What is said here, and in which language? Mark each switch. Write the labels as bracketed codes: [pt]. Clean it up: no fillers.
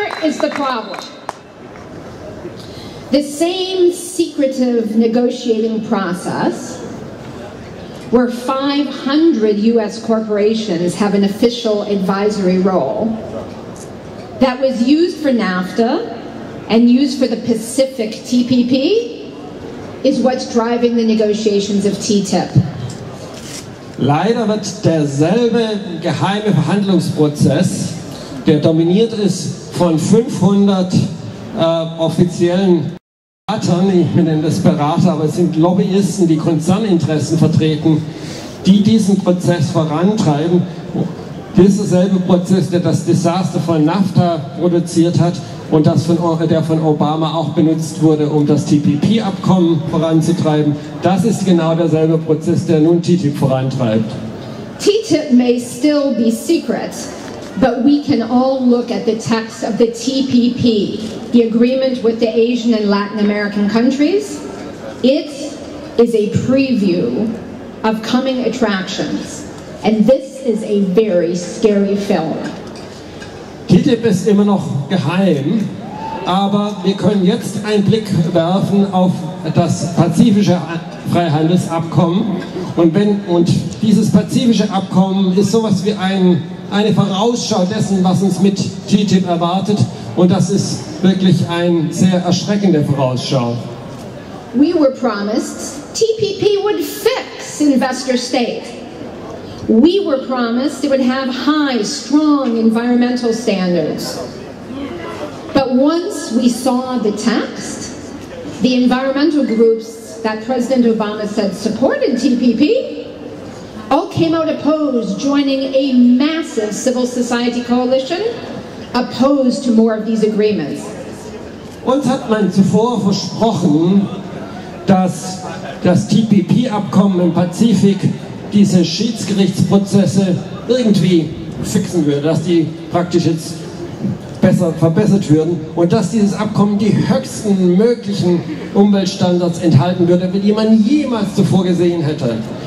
[en] The same secretive negotiating process where 500 US corporations have an official advisory role that was used for NAFTA and used for the Pacific TPP is what's driving the negotiations of TTIP. [de] Leider wird derselbe geheime Verhandlungsprozess, der dominiert ist von 500 offiziellen ich nenne das Berater, aber es sind Lobbyisten, die Konzerninteressen vertreten, die diesen Prozess vorantreiben. Dieser selbe Prozess, der das Desaster von NAFTA produziert hat und das von, der von Obama auch benutzt wurde, um das TPP-Abkommen voranzutreiben. Das ist genau derselbe Prozess, der nun TTIP vorantreibt. [en] TTIP may still be secret, but we can all look at the text of the TPP, the agreement with the Asian and Latin American countries. It is a preview of coming attractions. And this is a very scary film. [de] TTIP ist immer noch geheim, aber wir können jetzt einen Blick werfen auf das pazifische Freihandelsabkommen. Und dieses pazifische Abkommen ist sowas wie eine Vorausschau dessen, was uns mit TTIP erwartet. Und das ist wirklich eine sehr erschreckende Vorausschau. [en] We were promised TPP would fix investor state. We were promised it would have high, strong environmental standards. But once we saw the text, the environmental groups that President Obama said supported TPP all came out opposed, joining a massive civil society coalition opposed to more of these agreements. [de] Uns hat man zuvor versprochen, dass das TPP-Abkommen im Pazifik diese Schiedsgerichtsprozesse irgendwie fixen würde, dass die praktisch jetzt besser verbessert würden und dass dieses Abkommen die höchsten möglichen Umweltstandards enthalten würde, die man jemals zuvor gesehen hätte.